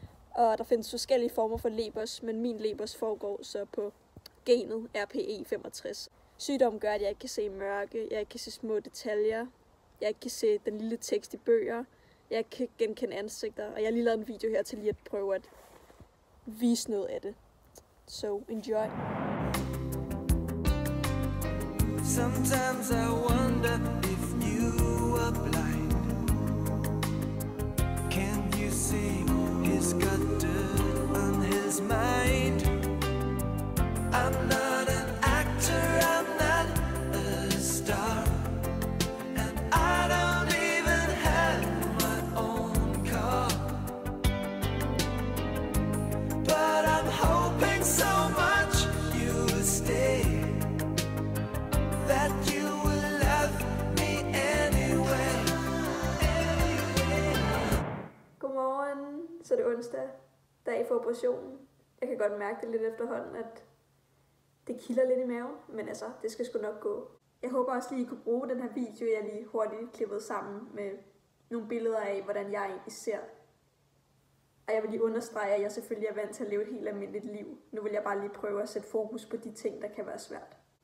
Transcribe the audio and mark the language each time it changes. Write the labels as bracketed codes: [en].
[da] Og der findes forskellige former for lebers, men min lebers foregår så på genet RPE65. Sygdommen gør, at jeg ikke kan se mørke, jeg ikke kan se små detaljer, jeg ikke kan se den lille tekst i bøger, jeg ikke kan genkende ansigter, og jeg har lige lavet en video her til lige at prøve at vise noget af det. [en] So enjoy! Sometimes I wonder if you are blind. Can you see? He's got dirt on his mind. I'm not an actor, I'm not a star, and I don't even have my own car. But I'm hoping so much you will stay, that you will love me anyway, anyway. Come on. [da] Så det er onsdag, dag for operationen. Jeg kan godt mærke det lidt efterhånden, at det kilder lidt i maven, men altså, det skal sgu nok gå. Jeg håber også lige, I kunne bruge den her video, jeg lige hurtigt klippede sammen med nogle billeder af, hvordan jeg egentlig ser. Og jeg vil lige understrege, at jeg selvfølgelig er vant til at leve et helt almindeligt liv. Nu vil jeg bare lige prøve at sætte fokus på de ting, der kan være svært.